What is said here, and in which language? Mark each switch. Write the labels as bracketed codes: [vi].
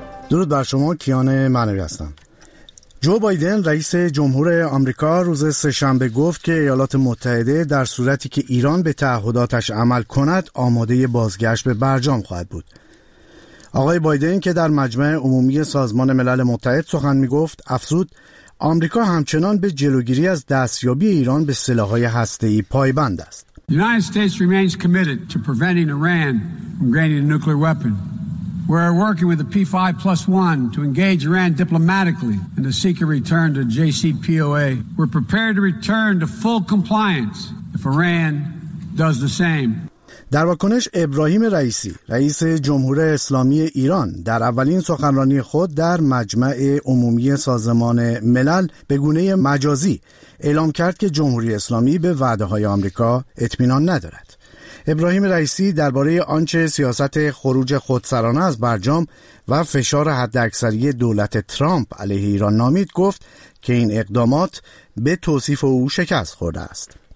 [fa] درود بر شما، کیان معنوی هستم. جو بایدن رئیس جمهور آمریکا روز سه‌شنبه گفت که ایالات متحده در صورتی که ایران به تعهداتش عمل کند آماده بازگشت به برجام خواهد بود. آقای بایدن که در مجمع عمومی سازمان ملل متحد سخن میگفت افزود آمریکا همچنان به جلوگیری از دستیابی ایران به سلاح‌های هسته‌ای پایبند است. [en] United States remains committed to preventing Iran from gaining a nuclear weapon. We're working with the P5+1 to engage Iran diplomatically and to seek a return to JCPOA. We're prepared to return to full compliance if Iran does the same. [fa] در واکنش ابراهیم رئیسی، رئیس جمهور اسلامی ایران، در اولین سخنرانی خود در مجمع عمومی سازمان ملل به گونه مجازی اعلام کرد که جمهوری اسلامی به وعده‌های آمریکا اطمینان ندارد. ابراهیم رئیسی درباره آنچه سیاست خروج خودسرانه از برجام و فشار حداکثری دولت ترامپ علیه ایران نامید گفت که این اقدامات به توصیف او شکست خورده است.